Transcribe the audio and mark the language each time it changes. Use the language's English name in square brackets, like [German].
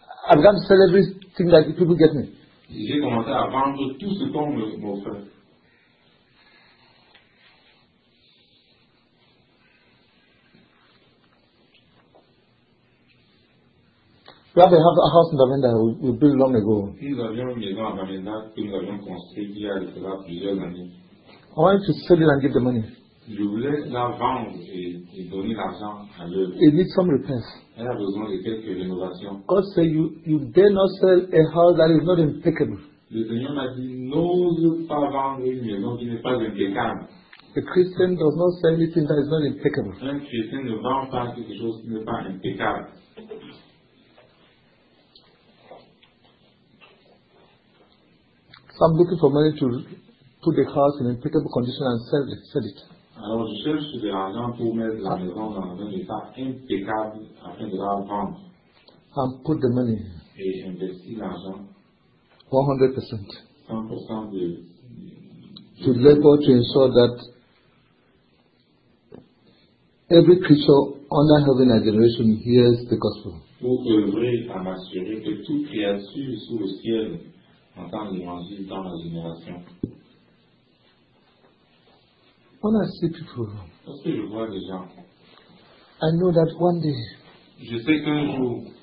[English] I began to sell everything that people get me. [French] J'ai commencé à vendre tout ce qu'on me offrait. [English] We have a house in Bamenda we built long ago. [French] Nous avions une maison à Bamenda que nous avions construite il y a de cela plusieurs années. [English] I wanted to sell it and give the money. [French] Je voulais la vendre et donner l'argent à l'œuvre. [English] It needs some repairs. [French] Elle a besoin de quelques rénovations. [English] God said, you dare not sell a house that is not impeccable. [French] Le Seigneur m'a dit, n'ose pas vendre une maison qui n'est pas impeccable. [English] A Christian does not sell anything that is not impeccable. [French] Un chrétien ne vend pas quelque chose qui n'est pas impeccable. [English] So I'm looking for money to put the house in impeccable condition and sell it. [French] Alors je cherche de l'argent pour mettre la maison dans un état impeccable afin de la vendre. [English] And put the money. [French] Et j'investis l'argent. [English] 100%. [French] 100% de. [English] To labor to ensure that every creature under heaven and generation hears the gospel. [French] Pour œuvrer à m'assurer que toute créature sous le ciel entend l'évangile dans ma génération. [English] When I see people, [French] lorsque je vois des gens, [English] I know that one day, [French] je sais qu'un jour,